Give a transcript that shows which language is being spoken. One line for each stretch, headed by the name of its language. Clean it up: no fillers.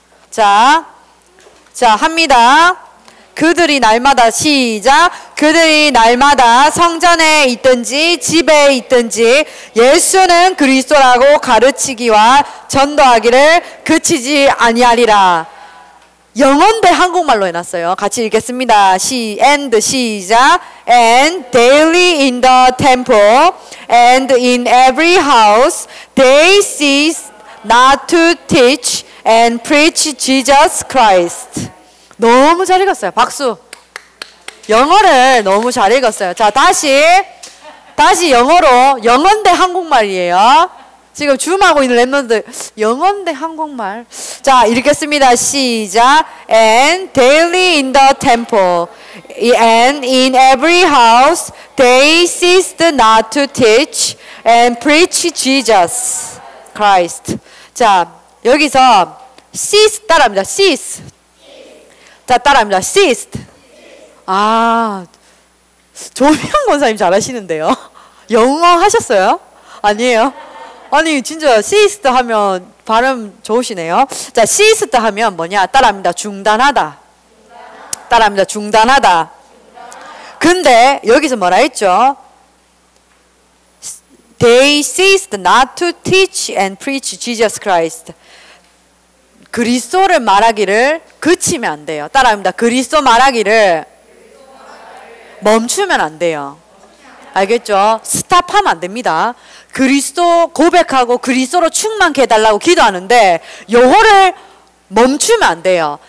Korean: 자, 자 합니다. 그들이 날마다 시작. 그들이 날마다 성전에 있든지 집에 있든지 예수는 그리스도라고 가르치기와 전도하기를 그치지 아니하리라. 영어인데 한국말로 해놨어요. 같이 읽겠습니다. And 시작.
English: And daily in the temple and in every house they cease not to teach and preach Jesus Christ.
Korean: 너무 잘 읽었어요. 박수. 영어를 너무 잘 읽었어요. 자, 다시 영어로. 영어인데 한국말이에요. 지금 줌하고 있는 랩런드 영어인데 한국말. 자, 읽겠습니다. 시작.
English: And daily in the temple and in every house they ceased not to teach and preach Jesus Christ.
Korean: 자, 여기서 cease 따라합니다. cease. 자, 따라합니다. cease. 아, 조명 권사님 잘하시는데요. 영어 하셨어요? 아니에요. 아니 진짜 시스트 하면 발음 좋으시네요. 자, 시스트 하면 뭐냐? 따라합니다. 중단하다. 따라합니다. 중단하다. 근데 여기서 뭐라 했죠?
English: They ceased not to teach and preach Jesus Christ.
Korean: 그리스도를 말하기를 그치면 안 돼요. 따라합니다. 그리스도 말하기를 멈추면 안 돼요. 알겠죠? 스탑하면 안 됩니다. 그리스도 고백하고 그리스도로 충만케 해달라고 기도하는데 요거를 멈추면 안 돼요.